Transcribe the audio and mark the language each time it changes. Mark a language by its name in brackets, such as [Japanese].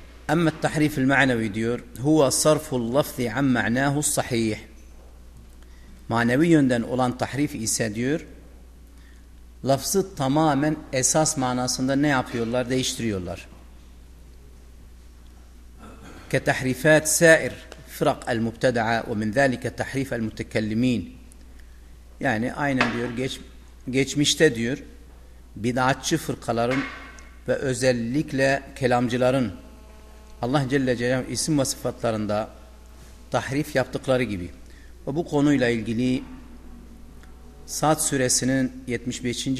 [Arabic] أما التحريف المعنوي [Turkish] diyor [Arabic] هو صرف اللفظ عن معناه الصحيح. [Turkish] Manevi yönden olan tahrif ise diyor lafzı tamamen esas manasında ne yapıyorlar? Değiştiriyorlar. [Arabic] كتحريفات سائر فرق المبتدعة ومن ذلك تحريف المتكلمين. [Turkish] Yani aynen diyor geçmişte diyor bidatçı fırkaların ve özellikle kelamcıların Allah Celle Celaluhu isim ve sıfatlarında tahrif yaptıkları gibi. Ve bu konuyla ilgili Sa'd suresinin 75.